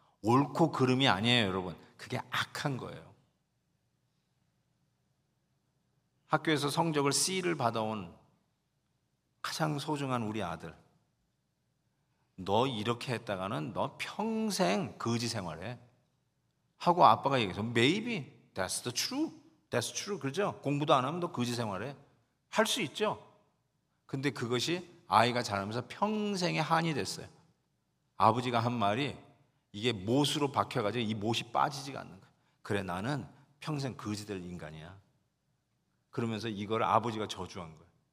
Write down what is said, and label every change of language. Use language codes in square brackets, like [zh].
[ko] 옳고 그름이 아니에요, 여러분. 그게 악한 거예요. 학교에서 성적을 [en] C [ko] 를 받아온 가장 소중한 우리 아들. 너 이렇게 했다가는 너 평생 거지 생활해. 하고 아빠가 얘기해서 [en] maybe that's the truth. That's true. [ko] 그렇죠? 공부도 안 하면 너 거지 생활해. 할 수 있죠. 근데 그것이 아이가 자라면서 평생의 한이 됐어요. 아버지가 한 말이 이게 못으로 박혀가지고 이 못이 빠지지가 않는 거예요. 그래, 나는 평생 거지 될 인간이야. 그러면서 이걸 아버지가 저주한 거예요.